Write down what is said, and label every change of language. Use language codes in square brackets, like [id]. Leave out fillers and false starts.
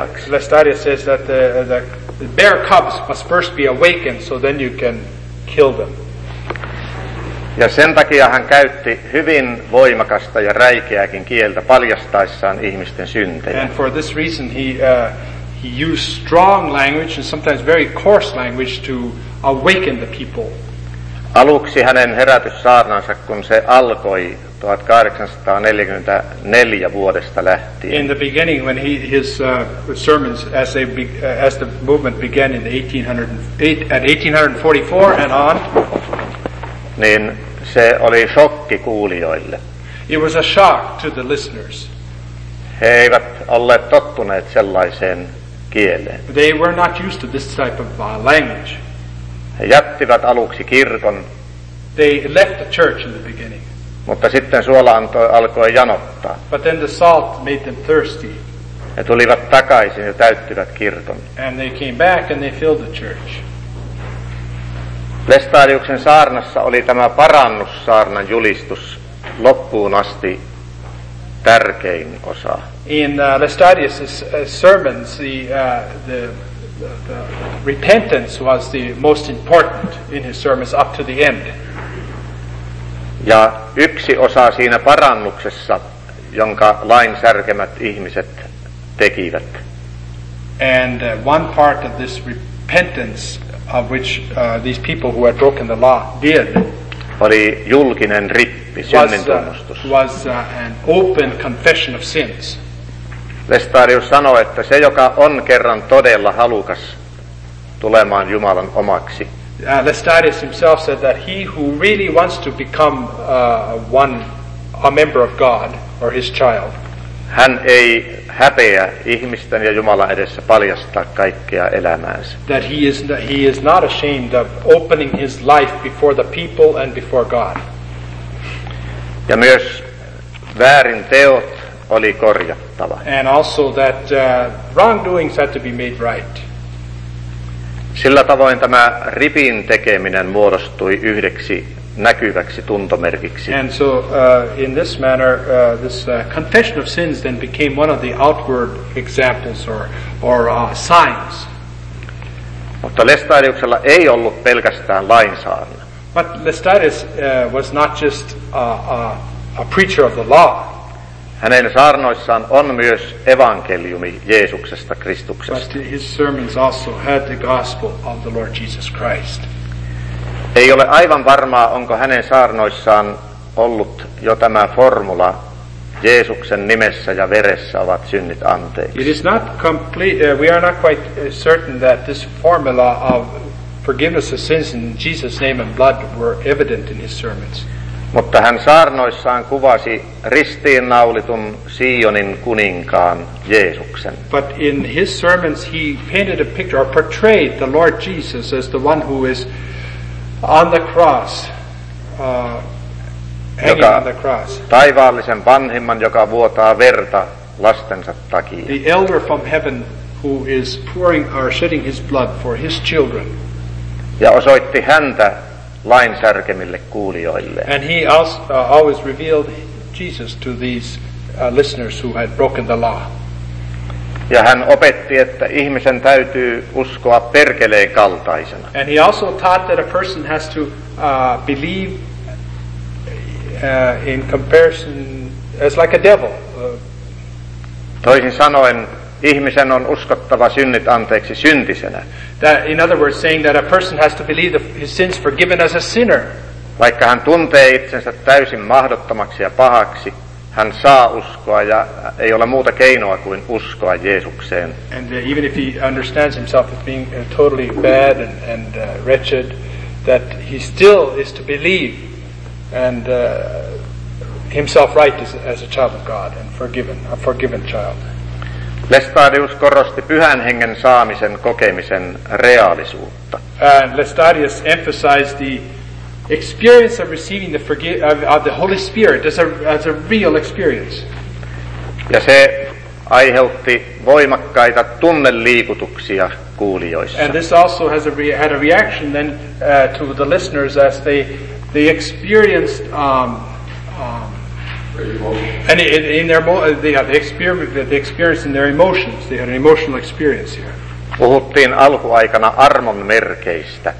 [en] Lestadius says that the bear cubs must first be awakened, so then you can kill them. [fi] Ja sen takia hän käytti hyvin voimakasta ja räikeäkin kieltä paljastaessaan ihmisten syntejä. [en] And for this reason he used strong language and sometimes very coarse language to awaken the people. [fi] Aluksi hänen herätyssaarnansa, kun se alkoi 1844 vuodesta lähtien. [en] In the beginning, when his sermons, as the movement began in 1844 and on, [fi] niin se oli shokki kuulijoille. [en] It was a shock to the listeners. [fi] He eivät olleet tottuneet sellaiseen kieleen. [en] They were not used to this type of language. [fi] He jättivät aluksi kirkon. [en] They left the church in the beginning. [fi] Mutta sitten suola alkoi janottaa. [en] But then the salt made them thirsty. [fi] He tulivat takaisin ja täyttivät kirkon. [en] And they came back and they filled the church. [fi] Lestadiuksen saarnassa oli tämä parannussaarnan julistus loppuun asti tärkein osa. [en] In Lestadius's sermons, the repentance was the most important in his sermons up to the end. [fi] Ja yksi osa siinä parannuksessa, jonka lain särkemät ihmiset tekivät. [en] And one part of this repentance of which these people who had broken the law did [fi] oli julkinen rippi, synnin tunnustus. [en] Was an open confession of sins. [fi] Lestadius sanoi, että se joka on kerran todella halukas tulemaan Jumalan omaksi, [en] Lestadius himself said that he who really wants to become one, a member of God or his child, [fi] hän ei häpeä ihmisten ja Jumalan edessä paljastaa kaikkea elämäänsä. [en] That he is not ashamed of opening his life before the people and before God. [fi] Ja myös väärin teot oli korjattava. [en] And also that wrongdoings had to be made right. [fi] Sillä tavoin tämä ripin tekeminen muodostui yhdeksi näkyväksi tuntomerkiksi. [en] And so in this manner this confession of sins then became one of the outward examples or signs. [fi] Mutta Lestadiuksella ei ollut pelkästään lainsaarna. [en] But Lestadius was not just a preacher of the law. [fi] Hänen saarnoissaan on myös evankeliumi Jeesuksesta Kristuksesta. [en] But his sermons also had the gospel of the Lord Jesus Christ. [fi] Ei ole aivan varmaa, onko hänen saarnoissaan ollut jo tämä formula, Jeesuksen nimessä ja veressä ovat synnit anteeksi. [en] It is not complete, we are not quite certain that this formula of forgiveness of sins in Jesus' name and blood were evident in his sermons. [fi] Mutta hän saarnoissaan kuvasi ristiinnaulitun Sionin kuninkaan Jeesuksen. [en] But in his sermons he painted a picture or portrayed the Lord Jesus as the one who is on the cross, hanging [fi] joka, [en] on the cross. [fi] Taivaallisen vanhimman, joka vuotaa verta lastensa takia. [en] The elder from heaven who is pouring or shedding his blood for his children. [fi] Ja osoitti häntä lain särkemille kuulijoille. [en] And he also, always revealed Jesus to these listeners who had broken the law. [fi] Ja hän opetti, että ihmisen täytyy uskoa perkeleen kaltaisena. [en] And he also taught that a person has to believe in comparison as like a devil. [fi] Toisin sanoen, ihmisen on uskottava synnit anteeksi syntisenä. [en] That, in other words, saying that a person has to believe his sins forgiven as a sinner. [fi] Vaikka hän tuntee itsensä täysin mahdottomaksi ja pahaksi, hän saa uskoa ja ei ole muuta keinoa kuin uskoa Jeesukseen. [en] And even if he understands himself as being totally bad and wretched, that he still is to believe and himself right as a child of God and forgiven, a forgiven child. [fi] Lestadius korosti pyhän hengen saamisen kokemisen reaalisuutta. [en] And Lestadius emphasized the experience of receiving the of the Holy Spirit as a real experience. [fi] Ja se aiheutti voimakkaita tunneliikutuksia kuulijoissa. [en] And this also has had a reaction then to the listeners as they experienced and in their they experienced in their emotions. They had an emotional experience here. [fi] Puhuttiin alkuaikana armon merkeistä.